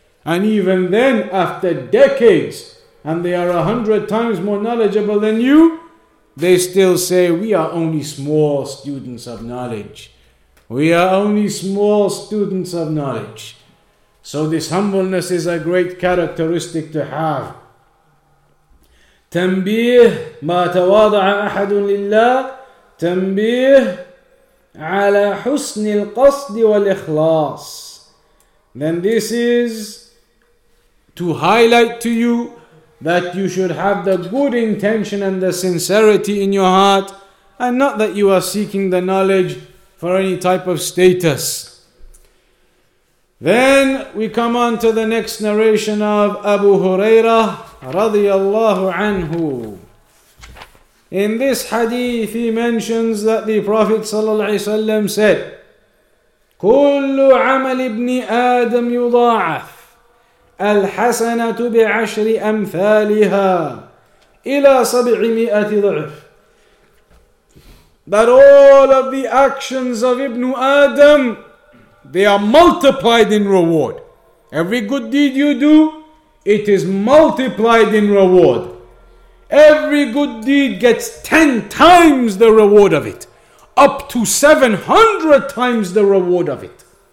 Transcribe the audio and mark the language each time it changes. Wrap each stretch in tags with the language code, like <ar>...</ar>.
<en>And even then, after decades, and they are 100 times more knowledgeable than you, they still say, we are only small students of knowledge. We are only small students of knowledge. So this humbleness is a great characteristic to have.</en> <ar>تنبيه ما تواضع أحد لله تنبيه على حسن القصد والإخلاص.</ar> <en>Then this is to highlight to you that you should have the good intention and the sincerity in your heart, and not that you are seeking the knowledge for any type of status. Then we come on to the next narration of Abu Hurairah radiyallahu anhu. In this hadith, he mentions that the Prophet sallallahu alaihi wasallam said,</en> <ar>"Kullu amal ibn Adam yudha'af." الحسنة بعشر أمثالها إلى 700 ضعف.</ar> <en>That all of the actions of Ibn Adam, they are multiplied in reward. Every good deed you do, it is multiplied in reward. Every good deed gets 10 times the reward of it, up to 700 times the reward of it.</en>